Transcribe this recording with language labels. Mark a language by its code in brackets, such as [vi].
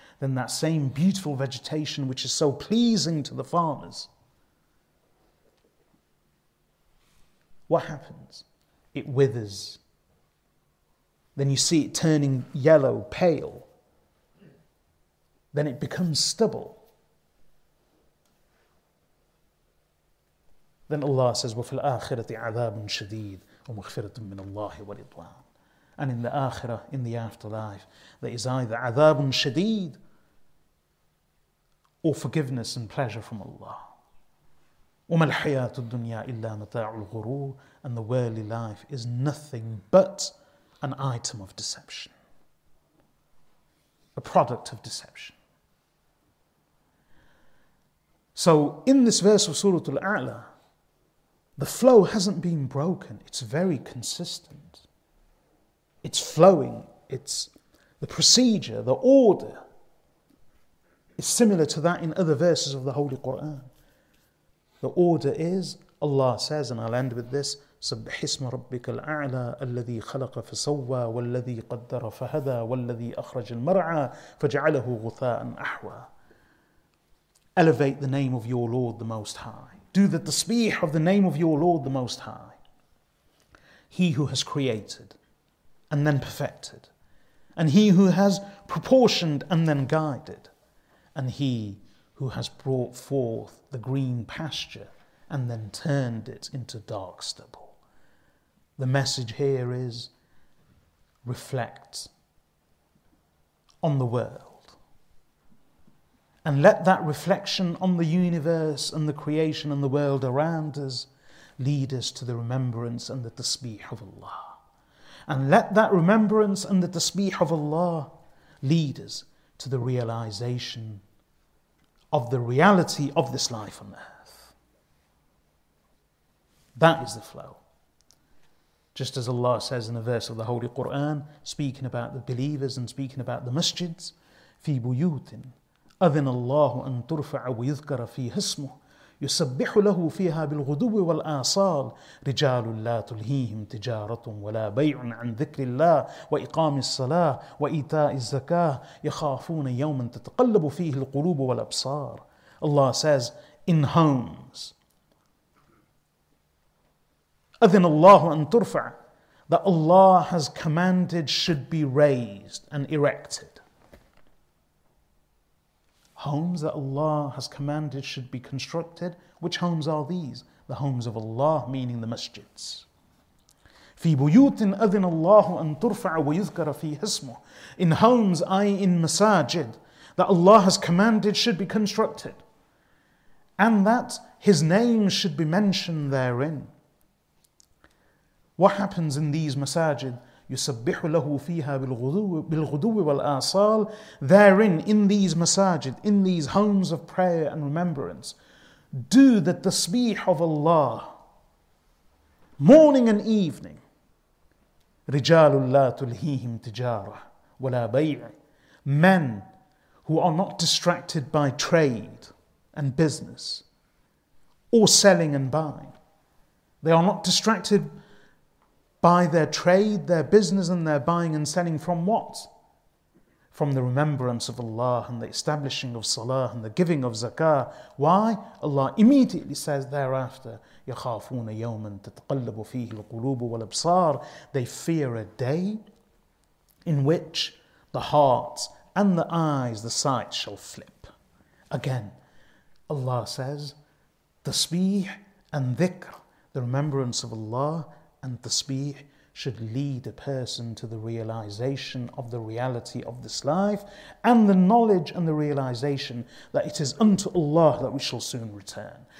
[en] Then that same beautiful vegetation which is so pleasing to the farmers. What happens? It withers. Then you see it turning yellow, pale. Then it becomes stubble. Then Allah says, [ar] وَفِي الْآخِرَةِ عَذَابٌ شَدِيدٌ وَمَغْفِرَةٌ مِّنَ اللَّهِ وَرِضْوَانٌ. [en] And in the Akhirah, in the afterlife, there is either Adhabun Shadeed or forgiveness and pleasure from Allah. [ar] وَمَا الْحَيَاةُ الدُّنْيَا إِلَّا مَتَاعُ الْغُرُورِ. [en] And the worldly life is nothing but an item of deception, a product of deception. So in this verse of Surah Al-A'la, the flow hasn't been broken, it's very consistent. It's flowing, it's the procedure, the order is similar to that in other verses of the Holy Quran. The order is, Allah says, and I'll end with this, [ar] سَبْحِ اسْمَ رَبِّكَ الْأَعْلَى الَّذِي خَلَقَ فَسَوَّى وَالَّذِي قَدَّرَ فَهَدَى وَالَّذِي أَخْرَجَ الْمَرْعَى فَجَعَلَهُ غُثَاءً أَحْوَى. [en] Elevate the name of your Lord, the Most High. Do the tasbih of the name of your Lord, the Most High. He who has created and then perfected, and he who has proportioned and then guided, and he who has brought forth the green pasture and then turned it into dark stubble. The message here is, reflect on the world and let that reflection on the universe and the creation and the world around us lead us to the remembrance and the tasbih of Allah. And let that remembrance and the tasbih of Allah lead us to the realization of the reality of this life on earth. That is the flow. Just as Allah says in a verse of the Holy Quran, speaking about the believers and speaking about the masjids, [ar] في بيوت أذن الله أن ترفع ويذكر فيها اسمه يسبح له فيها بالغدو والآصال رجال لا تلهيهم تجارة ولا بيع عن ذكر الله وإقام الصلاة وإيتاء الزكاة يخافون يوما تتقلب فيه القلوب والأبصار. [en] Allah says, in homes, [ar] أذن الله أن ترفع, [en] that Allah has commanded should be raised and erected. Homes that Allah has commanded should be constructed. Which homes are these? The homes of Allah, meaning the masjids. [ar] في بيوت أذن الله أن ترفع ويذكر فيه اسمه. [en] In homes, i.e. in masajid, that Allah has commanded should be constructed, and that His name should be mentioned therein. What happens in these masajid? [ar] يسبح له فيها بالغدو والآصال. [en] Therein, in these masajid, in these homes of prayer and remembrance, do the tasbih of Allah morning and evening. [ar] رجال لا تلهيهم تجارة ولا بيع. [en] Men who are not distracted by trade and business or selling and buying. They are not distracted by their trade, their business, and their buying and selling from what? From the remembrance of Allah and the establishing of salah and the giving of zakah. Why? Allah immediately says thereafter, [ar] يَخَافُونَ يَوْمًا تَتْقَلَّبُ فِيهِ الْقُلُوبُ وَالْأَبْصَارِ. [en] They fear a day in which the hearts and the eyes, the sight, shall flip. Again, Allah says, tasbih and dhikr, the remembrance of Allah, and tasbih should lead a person to the realization of the reality of this life and the knowledge and the realization that it is unto Allah that we shall soon return.